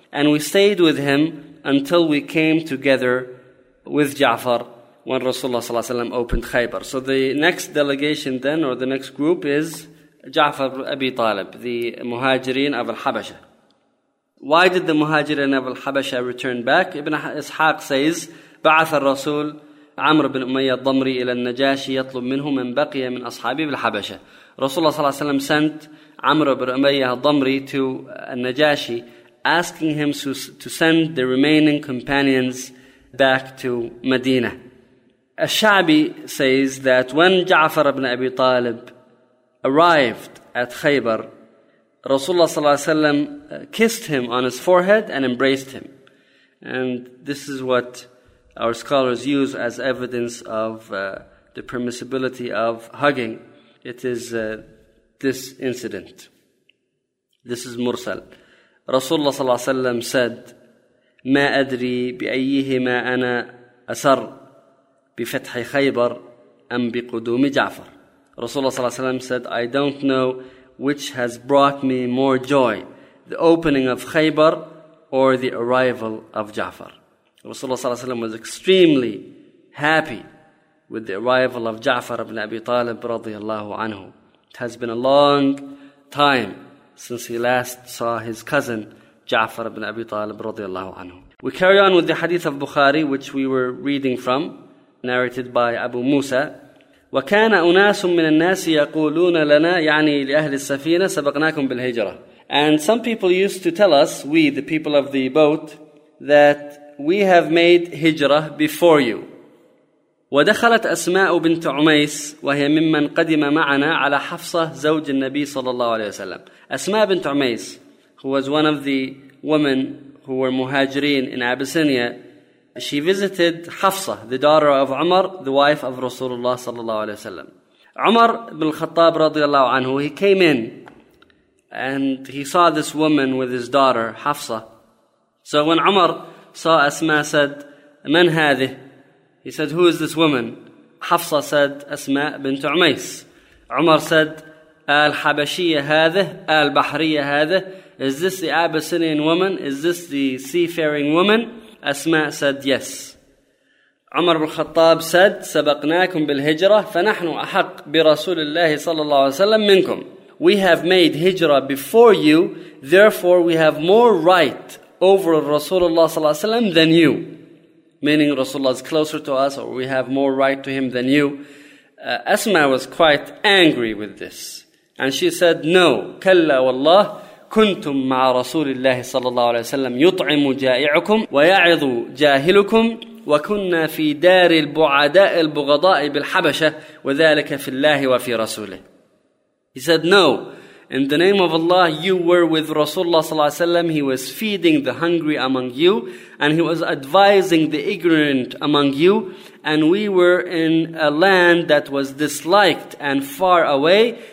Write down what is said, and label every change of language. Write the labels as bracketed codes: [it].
[en] And we stayed with him until we came together with Ja'far when Rasulullah sallallahu alaihi wasallam opened Khaybar. So the next delegation then, or the next group, is Ja'far ibn Abi Talib, the Muhajirin of Al-Habasha. Why did the Muhajirin of Al-Habasha return back? Ibn Ishaq says, [ar] بعث الرسول عمرو بن أمية الضمري إلى النجاشي يطلب منه من بقي من أصحابه بالحبشة. [en] رسول الله صلى الله عليه وسلم sent عمرو بن أمية الضمري to النجاشي asking him to send the remaining companions back to مدينة. الشعبي says that when جعفر بن أبي طالب arrived at خيبر, رسول الله صلى الله عليه وسلم kissed him on his forehead and embraced him. And this is what our scholars use as evidence of the permissibility of hugging. It is this incident. This is Mursal. Rasulullah صلى الله عليه وسلم said, [ar] ما أدري بأيهما أنا أسر بفتح خيبر أم بقدوم جعفر. [en] Rasulullah صلى الله عليه وسلم said, I don't know which has brought me more joy, the opening of خيبر or the arrival of جعفر. Rasulullah ﷺ was extremely happy with the arrival of Ja'far ibn Abi Talib radiyallahu anhu. It has been a long time since he last saw his cousin Ja'far ibn Abi Talib radiyallahu anhu. We carry on with the hadith of Bukhari, which we were reading from, narrated by Abu Musa. [ar] وَكَانَ أُنَاسٌ مِّنَ النَّاسِ يَقُولُونَ لَنَا يعني لأهل السفينة سبقناكم بالهجرة. [en] And some people used to tell us, we, the people of the boat, that we have made hijrah before you. [ar] ودخلت أسماء بنت عميس وهي ممن قدم معنا على حفصة زوج النبي صلى الله عليه وسلم. [en] أسماء بنت عميس, who was one of the women who were muhajirin in Abyssinia, she visited Hafsa, the daughter of Umar, the wife of Rasulullah صلى الله عليه وسلم. Umar ibn al-Khattab رضي الله عنه, he came in and he saw this woman with his daughter Hafsa. So when Umar saw Asma, said, [ar] من هذه? [en] He said, who is this woman? Hafsa said, Asma bint Umays. Umar said, [ar] Al Habashiya هذه, Al Bahriya هذه. [en] Is this the Abyssinian woman? Is this the seafaring woman? Asma said, yes. Umar ibn Khattab said, [ar] سبقناكم بالهجرة فنحن أحق برسول الله صلى الله عليه وسلم منكم. [en] We have made hijrah before you, therefore we have more right over Rasulullah صلى الله عليه وسلم than you. Meaning Rasulullah is closer to us, or we have more right to him than you. Asma was quite angry with this. And she said, no, [ar] كلا والله كنتم مع رسول الله صلى الله عليه وسلم يطعم جائعكم ويعظ جاهلكم وكنا في دار البعداء البغضاء بالحبشة وذلك في الله وفي رسوله. [en] He said, no, in the name of Allah, you were with Rasulullah صلى الله عليه وسلم. He was feeding the hungry among you, and he was advising the ignorant among you. And we were in a land that was disliked and far away.